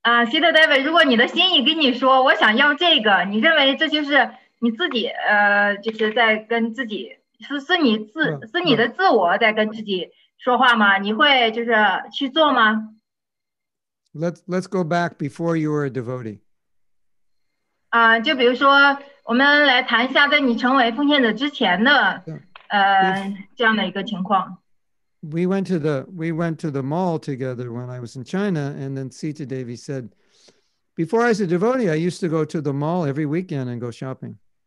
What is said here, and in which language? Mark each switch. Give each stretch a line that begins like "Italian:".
Chinese: Sita Devi, 如果你的心意跟你说我想要这个，你认为这就是你自己，就是在跟自己，是你的自我在跟自己说话吗？你会就是去做吗？
English: Let's go back before you were a devotee.
Chinese: 就比如说我们来谈一下，在你成为奉献者之前的，这样的一个情况。
English: We went to the mall together when I was in China, and then Sita Devi said, before I was a devotee, I used to go to the mall every weekend and go shopping.